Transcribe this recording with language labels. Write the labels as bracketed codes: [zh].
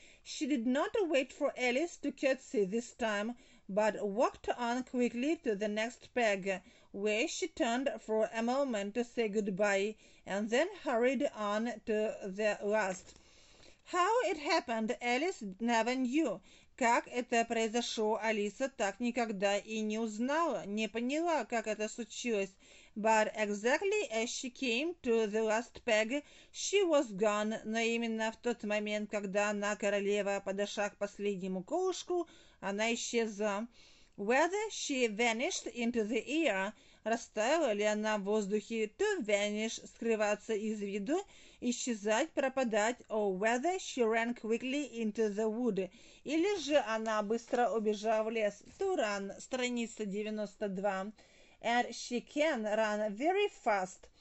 [en] She did not wait for Alice to curtsy this time, but walked on quickly to the next peg, where she turned for a moment to say goodbye, and then hurried on to the last. How it happened, Alice never knew. [ru] Как это произошло, Алиса так никогда и не узнала, не поняла, как это случилось. [en] But exactly as she came to the last peg, she was gone. [ru] Но именно в тот момент, когда она, королева, подошла к последнему колышку, она исчезла. [en] Whether she vanished into the air, [ru] растаяла ли она в воздухе, [en] to vanish, [ru] скрываться из виду, исчезать, пропадать, [en] or whether she ran quickly into the wood, [ru] или же она быстро убежала в лес, [en] to run, [ru] страница 92, [en] and she can run very fast,